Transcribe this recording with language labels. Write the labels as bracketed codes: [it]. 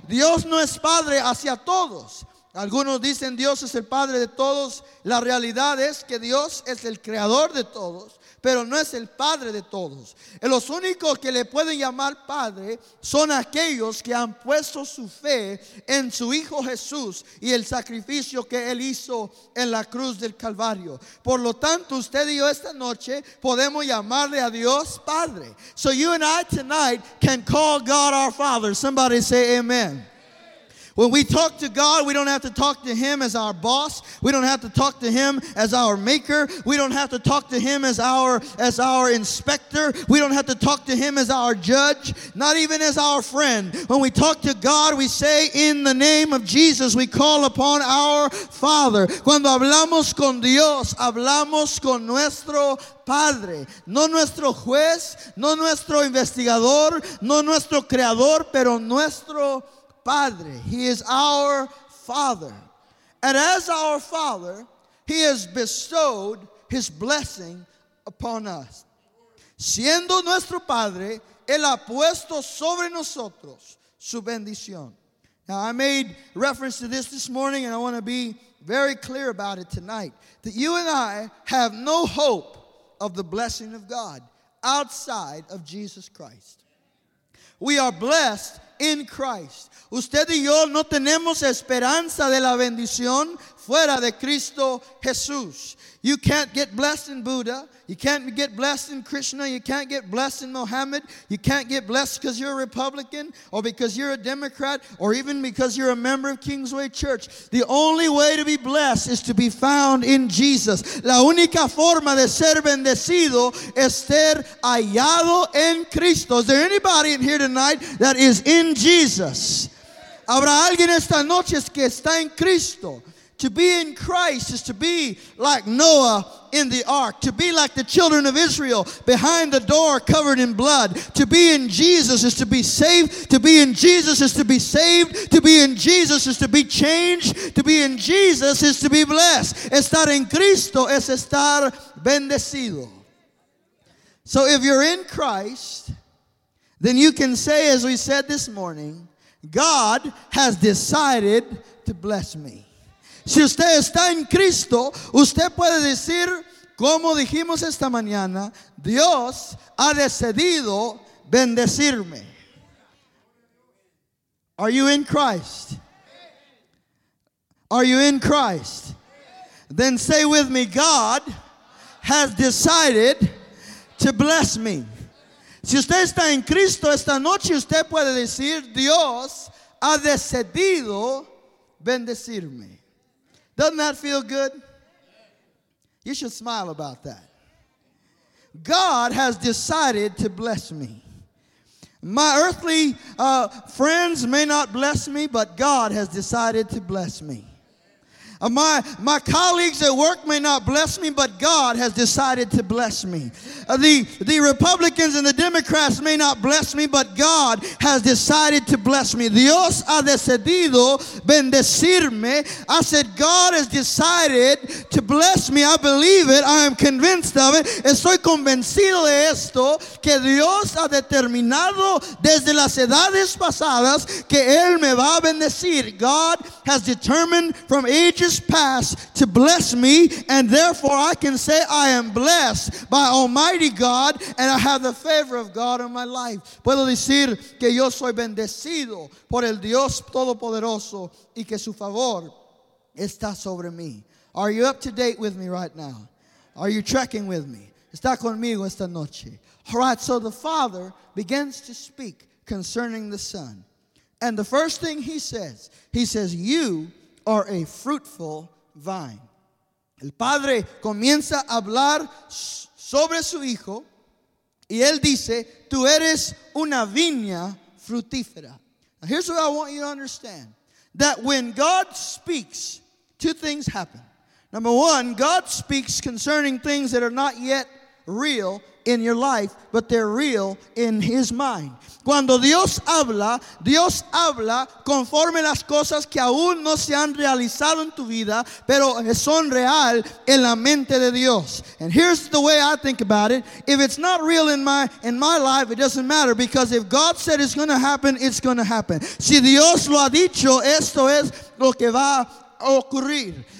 [es] Dios no es padre hacia todos. Algunos dicen Dios es el padre de todos. La realidad es que Dios es el creador de todos. Pero no es el padre de todos. Los únicos que le pueden llamar padre son aquellos que han puesto su fe en su hijo Jesús y el sacrificio que él hizo en la cruz del Calvario. Por lo tanto, usted y yo esta noche podemos llamarle a Dios padre. [en] So you and I tonight can call God our father. Somebody say amen. When we talk to God, we don't have to talk to him as our boss. We don't have to talk to him as our maker. We don't have to talk to him as our inspector. We don't have to talk to him as our judge, not even as our friend. When we talk to God, we say in the name of Jesus, we call upon our Father. [es] Cuando hablamos con Dios, hablamos con nuestro Padre, no nuestro juez, no nuestro investigador, no nuestro creador, pero nuestro Padre. [en] He is our Father. And as our Father, he has bestowed his blessing upon us. [es] Siendo nuestro Padre, él ha puesto sobre nosotros su bendición. [en] Now, I made reference to this morning, and I want to be very clear about it tonight, that you and I have no hope of the blessing of God outside of Jesus Christ. We are blessed in Christ. [es] Usted y yo no tenemos esperanza de la bendición fuera de Cristo Jesús. [en] You can't get blessed in Buddha. You can't get blessed in Krishna. You can't get blessed in Mohammed. You can't get blessed because you're a Republican or because you're a Democrat or even because you're a member of Kingsway Church. The only way to be blessed is to be found in Jesus. [es] La única forma de ser bendecido es ser hallado en Cristo. [en] Is there anybody in here tonight that is in Jesus? [es] Habrá alguien esta noche que está en Cristo. [en] To be in Christ is to be like Noah in the ark, to be like the children of Israel behind the door covered in blood. To be in Jesus is to be saved. To be in Jesus is to be saved. To be in Jesus is to be changed. To be in Jesus is to be blessed. [es] Estar en Cristo es estar bendecido. [en] So if you're in Christ, then you can say, as we said this morning, God has decided to bless me. [es] Si usted está en Cristo, usted puede decir, como dijimos esta mañana, Dios ha decidido bendecirme. [en] Are you in Christ? Are you in Christ? Then say with me, God has decided to bless me. [es] Si usted está en Cristo esta noche, usted puede decir, Dios ha decidido bendecirme. [en] Doesn't that feel good? You should smile about that. God has decided to bless me. My earthly friends may not bless me, but God has decided to bless me. My colleagues at work may not bless me, but God has decided to bless me. The Republicans and the Democrats may not bless me, but God has decided to bless me. [es] Dios ha decidido bendecirme. [en] I said, God has decided to bless me. I believe it. I am convinced of it. [es] Estoy convencido de esto, que Dios ha determinado desde las edades pasadas que Él me va a bendecir. [en] God has determined from ages past to bless me, and therefore I can say I am blessed by Almighty God, and I have the favor of God in my life. [es] Puedo decir que yo soy bendecido por el Dios Todopoderoso y que su favor está sobre mí. [en] Are you up to date with me right now? Are you tracking with me? [es] Está conmigo esta noche. [en] All right, so the Father begins to speak concerning the Son, and the first thing he says, you are a fruitful vine. [es] El Padre comienza a hablar sobre su hijo y él dice, tú eres una viña frutífera. [en] Now here's what I want you to understand. That when God speaks, two things happen. Number one, God speaks concerning things that are not yet real in your life, but they're real in his mind. [es] Cuando Dios habla conforme las cosas que aún no se han realizado en tu vida, pero son real en la mente de Dios. [en] And here's the way I think about it. If it's not real in my life, it doesn't matter, because if God said it's going to happen, it's going to happen. [es] Si Dios lo ha dicho, esto es lo que va a ocurrir.